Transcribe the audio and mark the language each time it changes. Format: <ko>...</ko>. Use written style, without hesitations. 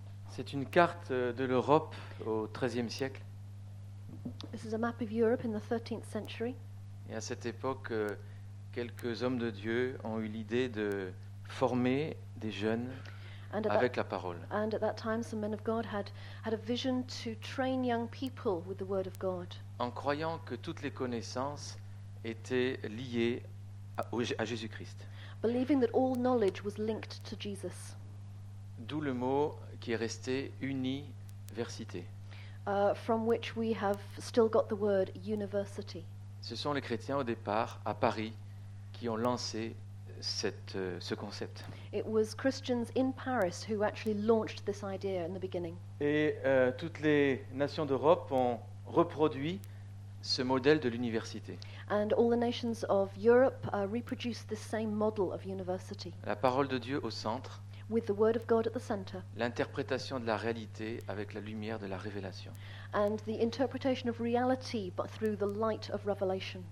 <fr>C'est une carte de l'Europe au XIIIe siècle.</fr> <en>This is a map of Europe in the 13th century.</en> <fr>Et à cette époque, quelques hommes de Dieu ont eu l'idée de former des jeunes avec la parole.</fr> <en>And at that time, some men of God had a vision to train young people with the word of God.</en> <fr>En croyant que toutes les connaissances étaient liées à Jésus-Christ.</fr> <en>Believing that all knowledge was linked to Jesus.</en> <fr>D'où le mot qui est resté université.</fr> <en>From which we have still got the word university.</en> <fr>Ce sont les chrétiens au départ à Paris qui ont lancé ce concept.</fr> <en>It was Christians in Paris who actually launched this idea in the beginning.</en> <fr>Et toutes les nations d'Europe ont reproduit ce modèle de l'université.</fr> <en>And all the nations of Europe reproduced the same model of university.</en> <fr>La parole de Dieu au centre.</fr> <en>With the word of God at the center.</en> <fr>L'interprétation de la réalité avec la lumière de la révélation.</fr> <en>And the interpretation of reality but through the light of revelation.</en>